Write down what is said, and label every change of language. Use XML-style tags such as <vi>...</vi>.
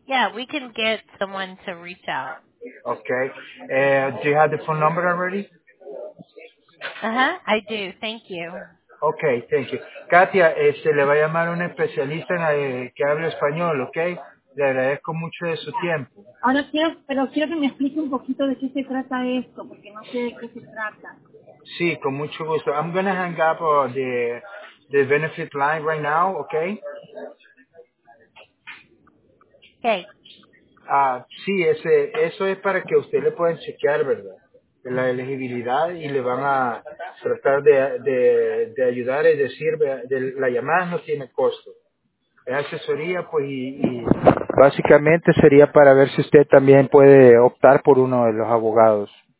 <en>Yeah, we can get someone to reach out. Okay. Do you have the phone number already? Uh-huh. I do. Thank you. Okay, thank you.</en> <es>Katia, le va a llamar a un especialista en que hable español, okay? Le agradezco mucho de su tiempo. Ahora quiero, pero quiero que me explique un poquito de qué se trata esto, porque no sé de qué se trata. Sí, con mucho gusto.</es> <en>I'm going to hang up the benefit line right now, okay? Okay.</en> <es>Sí, eso es para que usted le pueda chequear, ¿verdad? La elegibilidad y le van a tratar de ayudar y decir, la llamada no tiene costo. Es asesoría, pues, y básicamente sería para ver si usted también puede optar por uno de los abogados.</es>